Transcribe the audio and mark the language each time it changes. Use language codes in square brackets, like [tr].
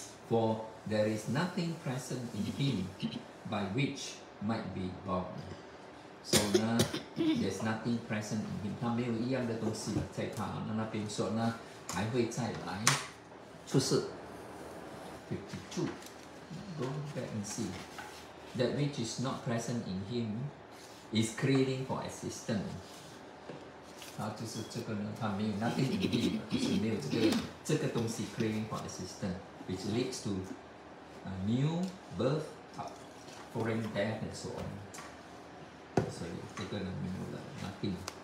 [en] For there is nothing present in him by which might be born. So 呢 ，there's nothing present in him. [zh] 他没有一样的东西在他那边说呢，还会再来出世。 [en] 52. Go back and see. That which is not present in him is craving for existence. [zh] 他就是这个呢，他没有 [en] nothing in him， [zh] 就是没有这个东西 [en] craving for existence， which leads to a new birth, foreign death and so on， [zh] 所以这个呢没有了 nothing。